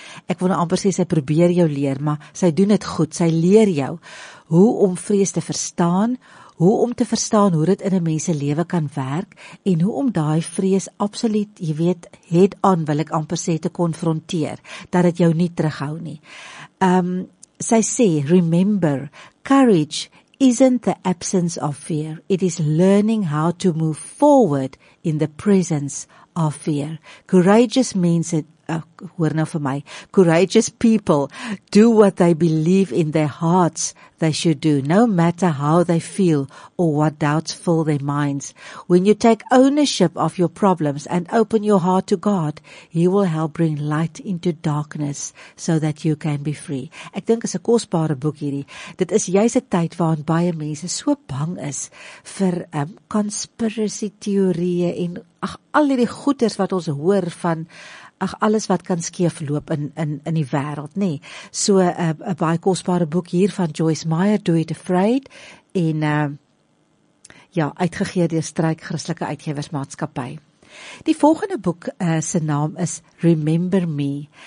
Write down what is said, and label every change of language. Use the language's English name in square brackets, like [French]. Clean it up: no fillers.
[Afrikaans] Ek wil nou amper sê sy probeer jou leer, maar sy doen dit goed. Sy leer jou hoe om vrees te verstaan, hoe om te verstaan hoe dit in 'n mens se lewe kan werk en hoe om daai vrees absoluut, jy weet, het aan wil ek amper sê te konfronteer, dat dit jou nie terughou nie. Sy sê, [English] remember, courage isn't the absence of fear. It is learning how to move forward in the presence of fear. Courageous means it [Afrikaans] hoor nou vir my. [English] Courageous people do what they believe in their hearts they should do, no matter how they feel or what doubts fill their minds. When you take ownership of your problems and open your heart to God, He will help bring light into darkness so that you can be free. [Afrikaans] Ek dink is 'n kosbare boek hierdie. Dit is juis 'n tyd waarin baie mense so bang is vir conspiracy teorieë en al hierdie goeters wat ons hoor van alles wat kan skeef loop in die wêreld, nê. So 'n baie kosbare boek hier van Joyce Meyer, Do It Afraid, en uitgegee deur Struik Christelike Uitgewersmaatskappy. Die volgende boek se naam is Remember Me.